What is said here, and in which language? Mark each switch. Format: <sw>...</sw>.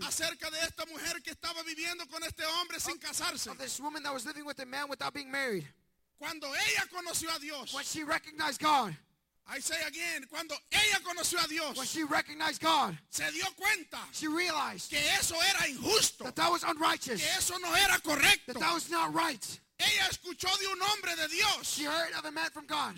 <es>Acerca de esta mujer que estaba viviendo con este hombre sin casarse.</es> <en>Of this woman that was living with a man without being married.</en> <es>Cuando ella conoció a Dios.</es> <en>When she recognized God. I say again,</en> <es>cuando ella conoció a Dios,</es> <en>when she recognized God,</en> <es>se dio cuenta,</es> <en>she realized</en> <es>que eso era injusto,</es> <en>that that was unrighteous,</en> <es>que eso no era correcto,</es> <en>that that was not right.</en> <es>Ella escuchó de un hombre de Dios.</es> <en>She heard of a man from God.</en>